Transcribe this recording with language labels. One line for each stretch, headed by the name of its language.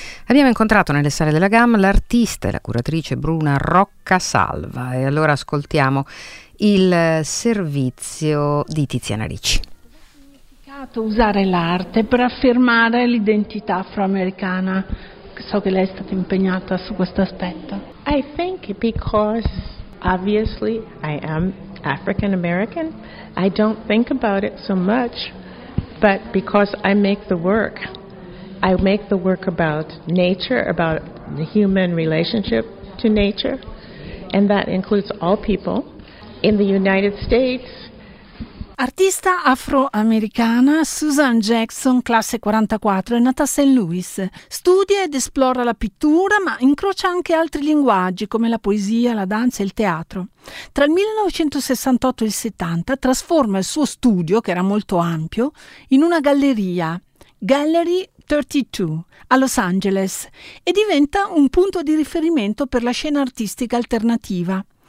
Italian: Abbiamo incontrato nelle sale della Gamma l'artista e la curatrice Bruna Rocca Salva. E allora ascoltiamo il servizio di Tiziana Ricci. Cosa ha significato usare l'arte per affermare l'identità afroamericana? So che lei è stata impegnata su questo aspetto.
English: I think because obviously I am African American, I don't think about it so much, but because I make the work about nature, about the human relationship to nature, and that includes all people in the United States.
Italian: Artista afroamericana Susan Jackson, classe 44, è nata a St. Louis. Studia ed esplora la pittura, ma incrocia anche altri linguaggi come la poesia, la danza e il teatro. Tra il 1968 e il 70 trasforma il suo studio, che era molto ampio, in una galleria, Gallery 32, a Los Angeles, e diventa un punto di riferimento per la scena artistica alternativa.